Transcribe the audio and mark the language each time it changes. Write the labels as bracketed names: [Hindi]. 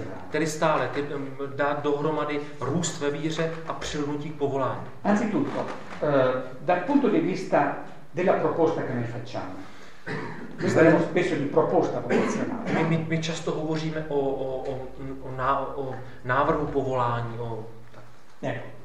[Czech] Tedy stále dát dohromady růst ve víře a přilnutí k povolání. [Italian] Anzitutto, dal punto di vista della proposta che noi facciamo. Parliamo spesso di proposta vocazionale. [Czech] My často hovoříme o návrhu povolání, o tak.